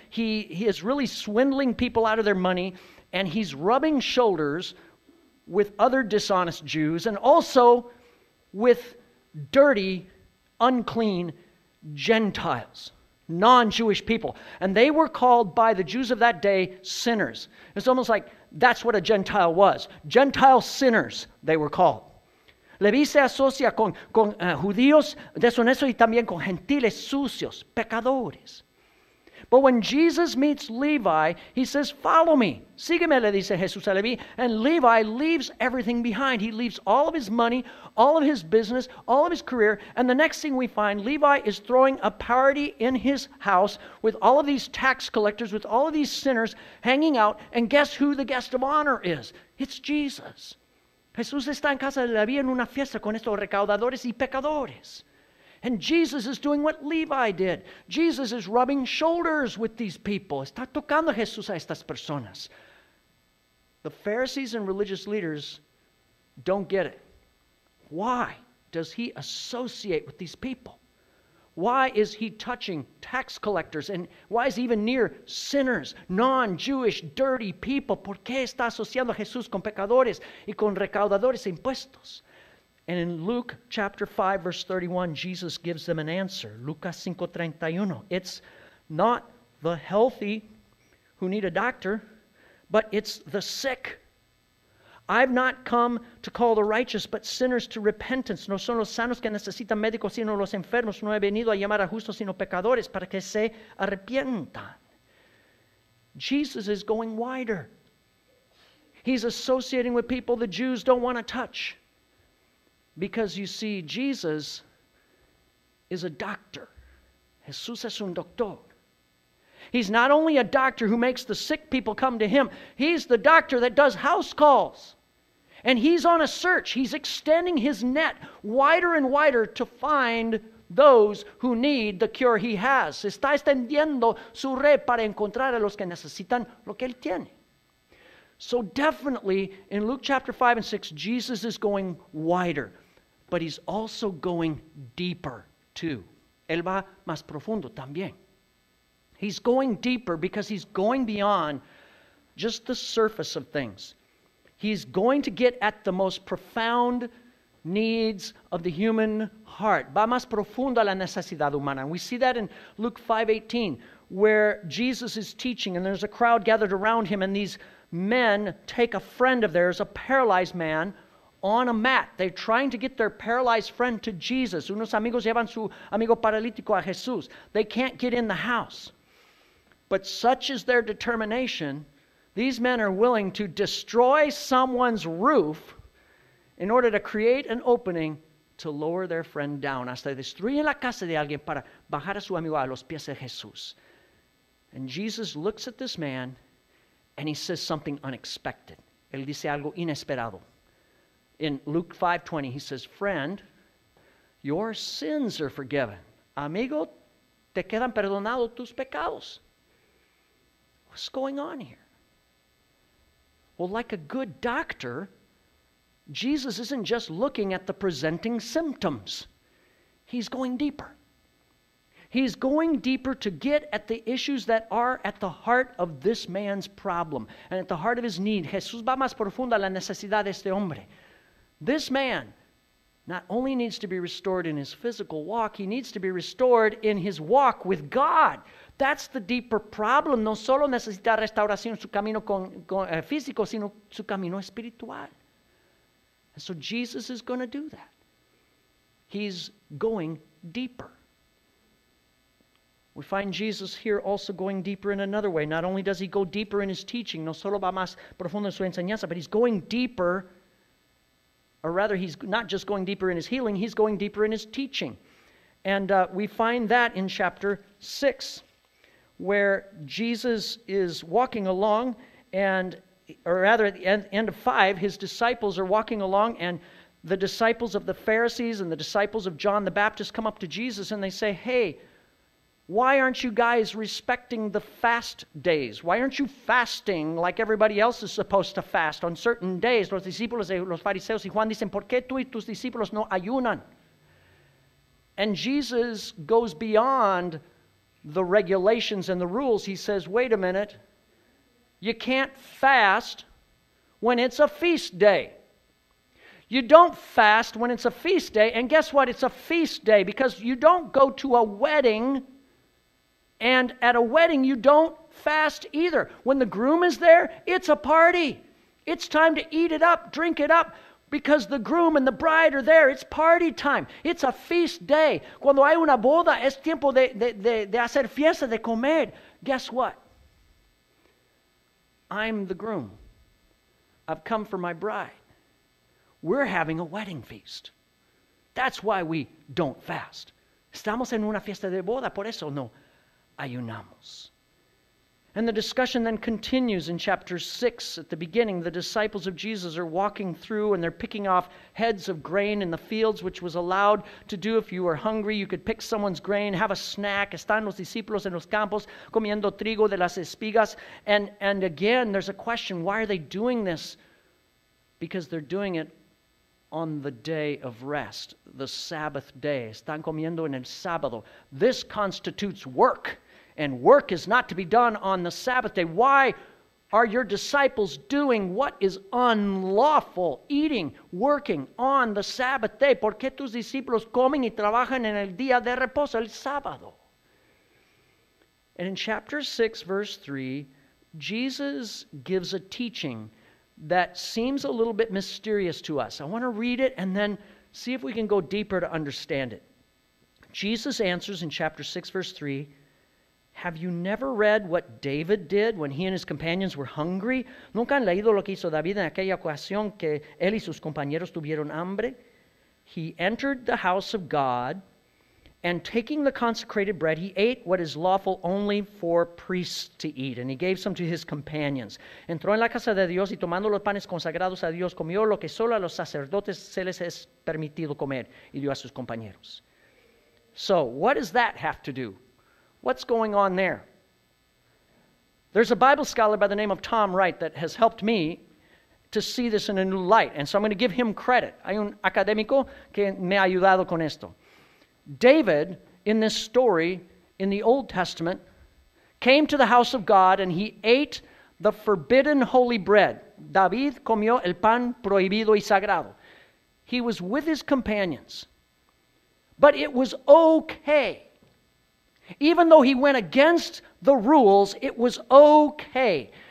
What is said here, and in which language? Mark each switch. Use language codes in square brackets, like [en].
[en] He is really swindling people out of their money, and he's rubbing shoulders with other dishonest Jews and also with dirty, unclean Gentiles, non-Jewish people. And they were called by the Jews of that day sinners. It's almost like that's what a Gentile was. Gentile sinners, they were called. [es] Levi se asocia con judíos deshonestos y también con gentiles sucios, pecadores. [en] But when Jesus meets Levi, he says, follow me. [es] Sígueme, le dice Jesús a Levi. [en] And Levi leaves everything behind. He leaves all of his money, all of his business, all of his career. And the next thing we find, Levi is throwing a party in his house with all of these tax collectors, with all of these sinners hanging out. And guess who the guest of honor is? It's Jesus. [es] Jesús está en casa de Levi en una fiesta con estos recaudadores y pecadores. [en] And Jesus is doing what Levi did. Jesus is rubbing shoulders with these people. [es] Está tocando Jesús a estas personas. [en] The Pharisees and religious leaders don't get it. Why does he associate with these people? Why is he touching tax collectors? And why is he even near sinners, non-Jewish, dirty people? [es] ¿Por qué está asociando a Jesús con pecadores y con recaudadores de impuestos? [en] And in Luke chapter 5, verse 31, Jesus gives them an answer. Lucas 5:31. It's not the healthy who need a doctor, but it's the sick. I've not come to call the righteous, but sinners to repentance. [es] No son los sanos que necesitan médicos, sino los enfermos. No he venido a llamar a justos, sino pecadores, para que se arrepientan. [en] Jesus is going wider. He's associating with people the Jews don't want to touch. Because you see, Jesus is a doctor. [es] Jesús es un doctor. [en] He's not only a doctor who makes the sick people come to him. He's the doctor that does house calls. And he's on a search. He's extending his net wider and wider to find those who need the cure he has. [es] Está extendiendo su red para encontrar a los que necesitan lo que él tiene. [en] So definitely, in Luke chapter 5 and 6, Jesus is going wider. But he's also going deeper, too. [es] Él va más profundo también. [en] He's going deeper because he's going beyond just the surface of things. He's going to get at the most profound needs of the human heart. [es] Va más profundo a la necesidad humana. [en] And we see that in Luke 5:18, where Jesus is teaching and there's a crowd gathered around him and these men take a friend of theirs, a paralyzed man, on a mat. They're trying to get their paralyzed friend to Jesus. [es] Unos amigos llevan su amigo paralítico a Jesús. [en] They can't get in the house. But such is their determination, these men are willing to destroy someone's roof in order to create an opening to lower their friend down. [es] Hasta destruyen la casa de alguien para bajar a su amigo a los pies de Jesús. [en] And Jesus looks at this man and he says something unexpected. [es] Él dice algo inesperado. [en] In Luke 5:20, he says, friend, your sins are forgiven. [es] Amigo, te quedan perdonados tus pecados. [en] What's going on here? Well, like a good doctor, Jesus isn't just looking at the presenting symptoms. He's going deeper. He's going deeper to get at the issues that are at the heart of this man's problem and at the heart of his need. [es] Jesús va más profundo a la necesidad de este hombre. [en] This man not only needs to be restored in his physical walk, he needs to be restored in his walk with God. That's the deeper problem. [es] No solo necesita restauración su camino físico, sino su camino espiritual. [en] And so Jesus is going to do that. He's going deeper. We find Jesus here also going deeper in another way. Not only does he go deeper in his teaching, [es] no solo va más profundo en su enseñanza, [en] but he's going deeper, or rather, he's not just going deeper in his healing, he's going deeper in his teaching. And we find that in chapter 6, where Jesus is walking along, and, or rather, at the end of 5, his disciples are walking along, and the disciples of the Pharisees and the disciples of John the Baptist come up to Jesus, and they say, "Hey, why aren't you guys respecting the fast days? Why aren't you fasting like everybody else is supposed to fast on certain days?" [es] Los discípulos, los fariseos y Juan dicen, "¿Por qué tú y tus discípulos no ayunan?" [en] And Jesus goes beyond the regulations and the rules. He says, "Wait a minute. You can't fast when it's a feast day. You don't fast when it's a feast day. And guess what? It's a feast day because you don't go to a wedding. And at a wedding, you don't fast either. When the groom is there, it's a party. It's time to eat it up, drink it up, because the groom and the bride are there. It's party time. It's a feast day. [es] Cuando hay una boda, es tiempo de hacer fiesta, de comer. [en] Guess what? I'm the groom. I've come for my bride. We're having a wedding feast. That's why we don't fast. [es] Estamos en una fiesta de boda, por eso no ayunamos." [en] And the discussion then continues in chapter 6 at the beginning. The disciples of Jesus are walking through and they're picking off heads of grain in the fields, which was allowed to do if you were hungry. You could pick someone's grain, have a snack. [es] Están los discípulos en los campos comiendo trigo de las espigas. [en] And again, there's a question, why are they doing this? Because they're doing it on the day of rest, the Sabbath day. [es] Están comiendo en el sábado. [en] This constitutes work, and work is not to be done on the Sabbath day. Why are your disciples doing what is unlawful, eating, working on the Sabbath day? [es] ¿Por qué tus discípulos comen y trabajan en el día de reposo, el sábado? [en] And in chapter 6, verse 3, Jesus gives a teaching that seems a little bit mysterious to us. I want to read it and then see if we can go deeper to understand it. Jesus answers in chapter 6, verse 3, "Have you never read what David did when he and his companions were hungry? [es] ¿Nunca han leído lo que hizo David en aquella ocasión que él y sus compañeros tuvieron hambre? [en] He entered the house of God, and taking the consecrated bread, he ate what is lawful only for priests to eat, and he gave some to his companions. [es] Entró en la casa de Dios y tomando los panes consagrados a Dios, comió lo que solo a los sacerdotes se les es permitido comer, y dio a sus compañeros." [en] So, what does that have to do? What's going on there? There's a Bible scholar by the name of Tom Wright that has helped me to see this in a new light, and so I'm going to give him credit. [es] Hay un académico que me ha ayudado con esto. [en] David, in this story, in the Old Testament, came to the house of God and he ate the forbidden holy bread. [es] David comió el pan prohibido y sagrado. [en] He was with his companions. But it was okay. Even though he went against the rules, it was okay.